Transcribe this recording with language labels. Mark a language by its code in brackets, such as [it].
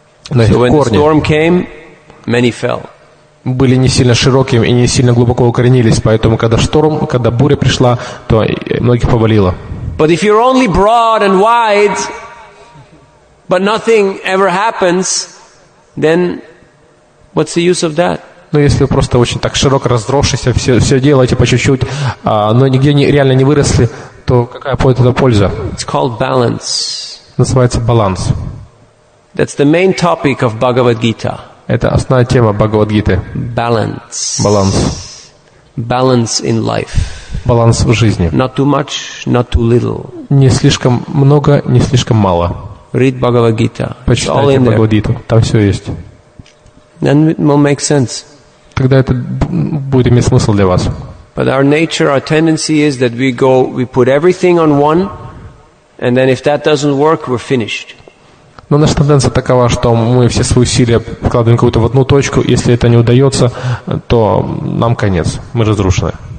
[ru] Но [en] so when the storm came, many fell. [ru] Были не сильно широкими и не сильно глубоко укоренились, поэтому когда шторм, когда буря пришла, то многих повалило. [en] But if you're only broad and wide, but nothing ever happens, then what's the use of that? [ru] Но если вы просто очень так широко раздросшись, все делаете по чуть-чуть, но нигде реально не выросли, то какая будет эта польза? [en] It's called balance. [ru] Называется баланс. [en] That's the main topic of Bhagavad Gita. [ru] Это основная тема Бхагавад Гиты. [en] Balance. [ru] Баланс. [en] Balance in life. [ru] Баланс в жизни. [en] Not too much, not too little. [ru] Не слишком много, не слишком мало. [en] Read Bhagavad Gita. [ru] Почитайте Бхагавад Гиту. Там все есть. [en] Then it will make sense. [ru] Тогда это будет иметь смысл для вас. [en] But our nature, our tendency is that we go, we put everything on one, and then if that doesn't work, we're finished. [ru] Но наша тенденция такова, что мы все свои усилия вкладываем какую-то в одну точку, если это не удается, то нам конец, мы разрушены.